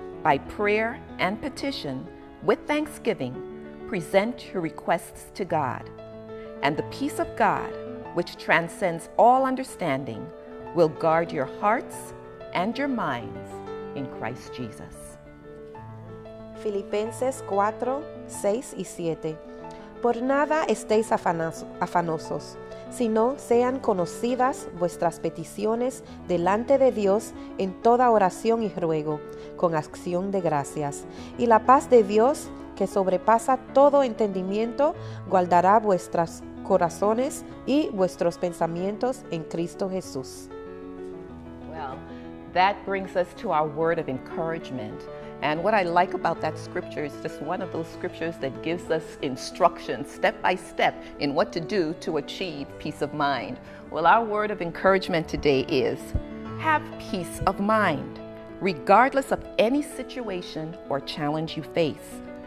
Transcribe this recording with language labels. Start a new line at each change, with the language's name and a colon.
English: By prayer and petition, with thanksgiving, present your requests to God. And the peace of God, which transcends all understanding, will guard your hearts and your minds in Christ Jesus.
Spanish: Filipenses 4, 6 y 7. Por nada estéis afanosos, sino sean conocidas vuestras peticiones delante de Dios en toda oración y ruego, con acción de gracias. Y la paz de Dios, que sobrepasa todo entendimiento, guardará vuestros corazones y vuestros pensamientos en Cristo Jesús.
English: Well, that brings us to our word of encouragement. And what I like about that scripture is just one of those scriptures that gives us instructions step by step in what to do to achieve peace of mind. Well, our word of encouragement today is, have peace of mind, regardless of any situation or challenge you face.